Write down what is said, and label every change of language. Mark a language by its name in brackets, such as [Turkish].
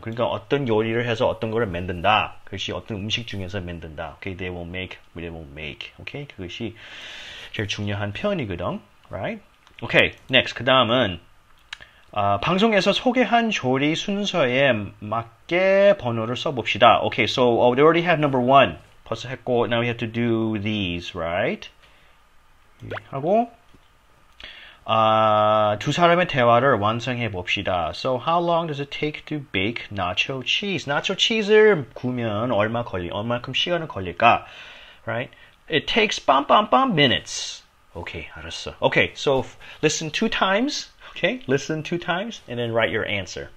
[Korean] 그러니까 어떤 요리를 해서 어떤 거를 만든다. 그것이 어떤 음식 중에서 만든다. [English] Okay, they will make, they will make. Okay, [Korean] 그것이 제일 중요한 표현이거든, [English] right? Okay, next. [Korean] 그 다음은 방송에서 소개한 조리 순서에 맞게 번호를 써봅시다. [English] Okay, so we already have number one. [Korean] 벌써 했고, [English] now we have to do these, right? [Korean] 하고, 두 사람의 대화를 완성해 봅시다. [English] So, how long does it take to bake nacho cheese? [Korean] Nacho cheese를 구우면 얼만큼 시간을 걸릴까? [English] Right? It takes 빰빰빰 minutes. Okay, [Korean] 알았어. [English] Okay, so listen two times. Okay, listen two times and then write your answer.